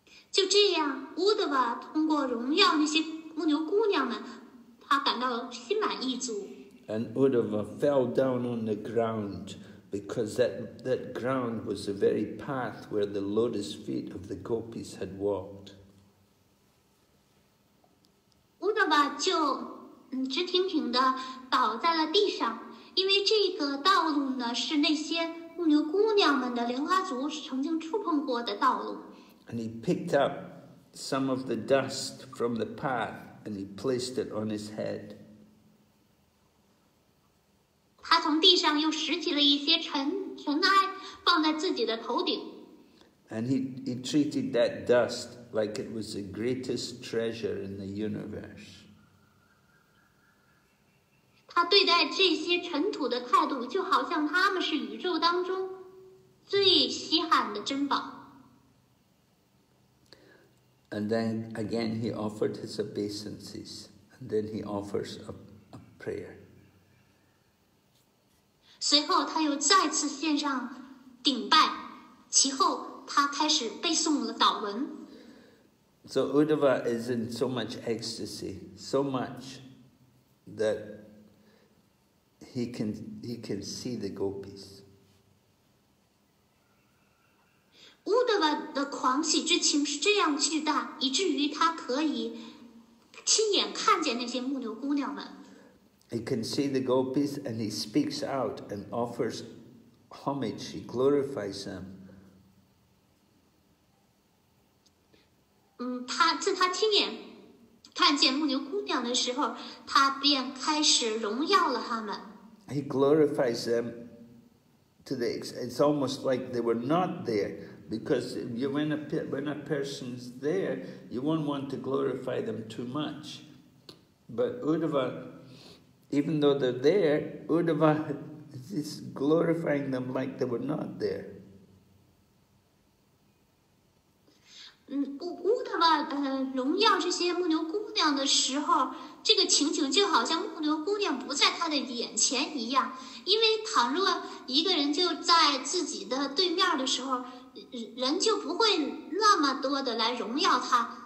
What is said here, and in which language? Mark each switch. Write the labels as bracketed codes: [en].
[zh] 就这样，Uddhava通过荣耀那些牧牛姑娘们，他感到心满意足。 [en] And Uddhava fell down on the ground, because that ground was the very path where the lotus feet of the gopis had walked. [zh] 就直挺挺的倒在了地上，因为这个道路呢是那些牧牛姑娘们的莲花族曾经触碰过的道路。 [en] And he picked up some of the dust from the path and he placed it on his head. [zh] 他从地上又拾起了一些尘埃放在自己的头顶。 [en] And he treated that dust like it was the greatest treasure in the universe. [zh] 他对待这些尘土的态度就好像他们是宇宙当中最稀罕的珍宝。 [en] And then again he offered his obeisances, and then he offers a prayer. [zh] 随后他又再次献上顶拜，其后他开始背诵了祷文。 [en] So Uddhava is in so much ecstasy, so much that he can see the gopis. [zh] Uddhava 的狂喜之情是这样巨大，以至于他可以亲眼看见那些牧牛姑娘们。 [en] He can see the gopis, and he speaks out and offers homage. He glorifies them. [zh] 自他亲眼看见牧牛姑娘的时候，他便开始荣耀了他们。 [en] He glorifies them to the extent it's almost like they were not there, because when a person's there, you won't want to glorify them too much. But Uddhava, even though they're there, Uddhava is glorifying them like they were not there. [zh] Uddhava 荣耀这些牧牛姑娘的时候，这个情景就好像牧牛姑娘不在他的眼前一样，因为倘若一个人就在自己的对面的时候，人就不会那么多的来荣耀他。